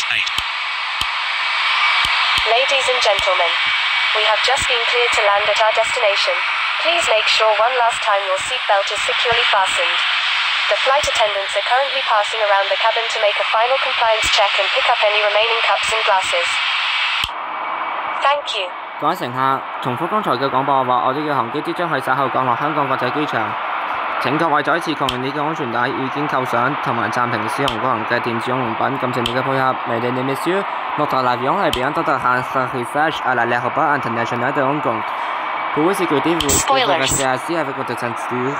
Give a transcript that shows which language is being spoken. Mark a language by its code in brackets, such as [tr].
[en] Ladies and gentlemen, we have just been cleared to land at our destination. Please make sure one last time your seatbelt is securely fastened. The flight attendants are currently passing around the cabin to make a final compliance check and pick up any remaining cups and glasses. Thank you. [yue] 各位乘客，重複剛才的廣播話，我哋嘅航機即將喺稍後降落香港國際機場。請各位再一次確認你嘅安全帶已經扣上，同埋暫停使用個人嘅電子用品。感謝你嘅配合。 [fr] Mesdames et messieurs, notre avion est bientôt à l'arrivée à l'aéroport international de Hong Kong. Pour vous sécuriser, vous pouvez rester assis avec votre ceinture.